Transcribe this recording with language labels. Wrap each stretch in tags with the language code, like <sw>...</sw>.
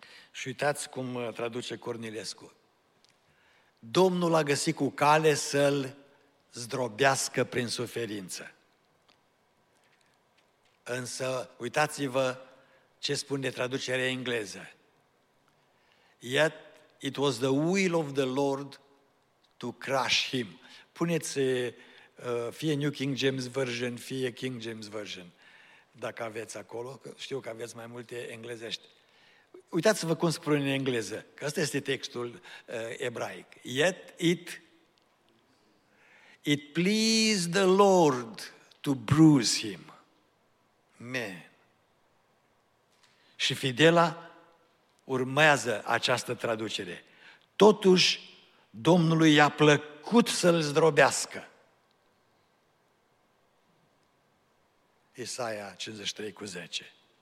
<ro>Și uitați cum traduce Cornilescu. Domnul a găsit cu cale să-l zdrobească prin suferință. Însă, uitați-vă ce spune traducerea engleză.</ro> <en>Yet it was the will of the Lord to crush him.</en> <ro>Puneți fie New King James Version, fie King James Version, dacă aveți acolo, că știu că aveți mai multe englezești. Uitați-vă cum spune în engleză, că ăsta este textul ebraic.</ro> <en>Yet it pleased the Lord to bruise him. Man.</en> <ro>Și Fidela urmează această traducere. Totuși, Domnului i-a plăcut să-l zdrobească. Isaia 53 cu 10.</ro>